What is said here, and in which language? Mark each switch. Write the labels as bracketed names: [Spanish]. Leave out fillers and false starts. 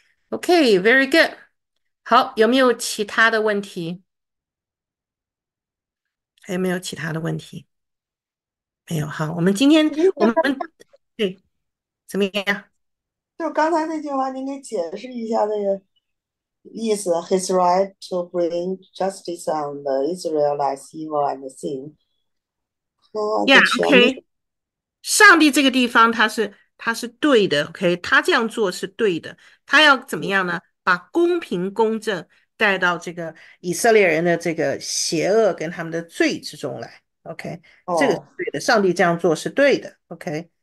[English] Okay, very good. [Chinese] 好，有没有其他的问题？还有没有其他的问题？没有，好，我们今天我们对怎么样？就刚才那句话，您给解释一下那个意思。 [English] His right to bring justice on the Israelites' evil and sin. Yeah, OK. [Chinese] 上帝这个地方他是对的 ，OK， 他这样做是对的。他要怎么样呢？把公平公正。带到这个以色列人的这个邪恶跟他们的罪之中来 ，OK，、这个是对的，上帝这样做是对的 ，OK。